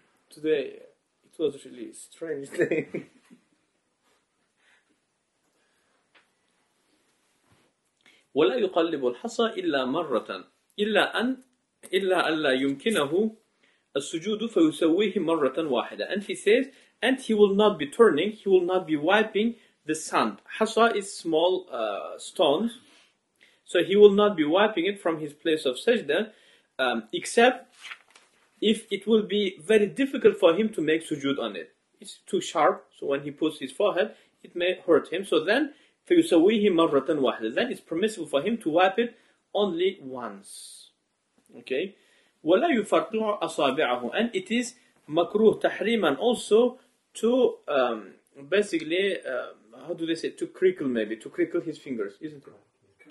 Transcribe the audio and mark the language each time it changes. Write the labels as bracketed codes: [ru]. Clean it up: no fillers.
[en] Today, it was really a strange thing. [ar] ولا يقلب الحصى إلا مرة إلا أن لا يمكنه السجود فيسويه مرة واحدة. [en] And he says, and he will not be turning, he will not be wiping the sand. حصى is small stones, so he will not be wiping it from his place of sajda, except if it will be very difficult for him to make sujood on it. It's too sharp, so when he puts his forehead, it may hurt him. So then, [ar] فيسويه مرة واحدة. [en] Then it's permissible for him to wipe it only once. Okay. [ar] ولا يفرقع أصابعه. [en] And it is مكروه تحريما also to basically how do they say, to crinkle, maybe to crinkle his fingers, isn't it?